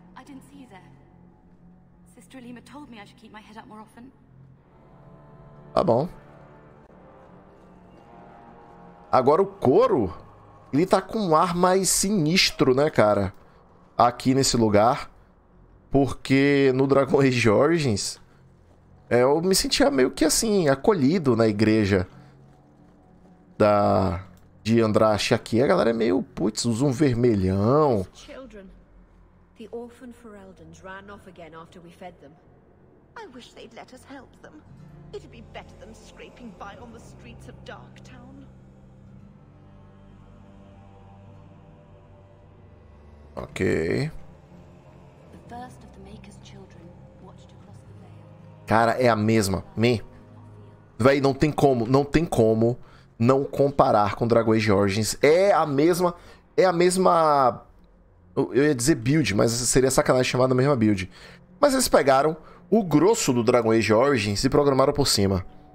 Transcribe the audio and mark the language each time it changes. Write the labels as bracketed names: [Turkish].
[English] I didn't see you there. Sister Alima told me I should keep my head up more often. [Portuguese] Tá bom. Agora o couro, ele tá com um ar mais sinistro, né, cara? Aqui nesse lugar. Porque no Dragon Age Origins, eu me sentia meio que assim, acolhido na igreja da de Andraste. Aqui a galera é meio, putz, usa um vermelhão. [English] The orphan Fereldans ran off again after we fed them. I wish they'd let us help them. It'd be better than scraping by on the streets of Darktown. Ok. The first of the Maker's children watched across the veil. [Portuguese] Cara, é a mesma. Me. Véi, não tem como. Não tem como não comparar com Dragon Age Origins. É a mesma. É a mesma. Eu ia dizer build, mas seria sacanagem chamar da mesma build. Mas eles pegaram o grosso do Dragon Age Origins e programaram por cima.